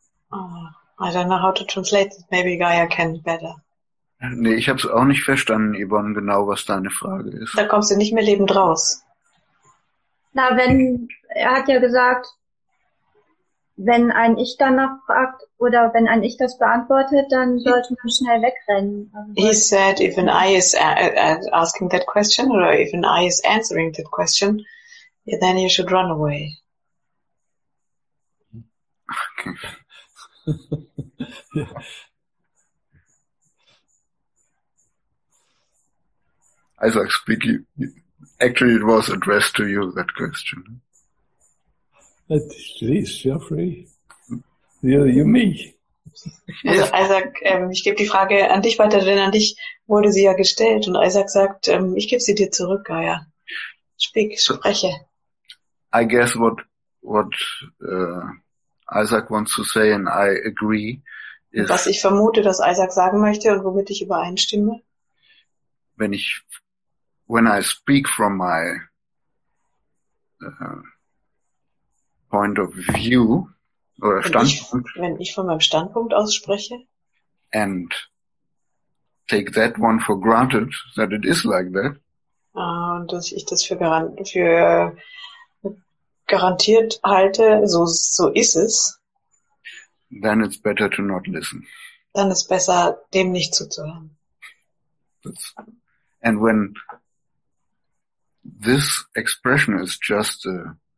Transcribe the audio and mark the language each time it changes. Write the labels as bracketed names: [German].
[English] Oh, I don't know how to translate it. Maybe Gaia can better. [German] Nee, ich habe es auch nicht verstanden, Yvonne, genau was deine Frage ist. Da kommst du nicht mehr lebend raus. Na, wenn, er hat ja gesagt, wenn ein Ich danach fragt oder wenn ein Ich das beantwortet, dann sollte man schnell wegrennen. [English] He said, if an I is asking that question or if an I is answering that question, then you should run away. Isaac speaking, actually it was addressed to you, that question. Please, Geoffrey. You me. [German] Also Isaac, ich gebe die Frage an dich weiter, denn an dich wurde sie ja gestellt und Isaac sagt, ich gebe sie dir zurück, Gaia. Spreche. [English] So, I guess Isaac wants to say and I agree. [German] Is, was ich vermute, dass Isaac sagen möchte und womit ich übereinstimme. [English] When I speak from my point of view [German] oder Standpunkt. Wenn ich von meinem Standpunkt ausspreche. [English] And take that one for granted that it is like that. [German] Und dass ich das für garantiert halte, so ist es. [English] then it's better to not listen. [German] Dann ist besser, dem nicht zuzuhören. [English] And when this expression is just a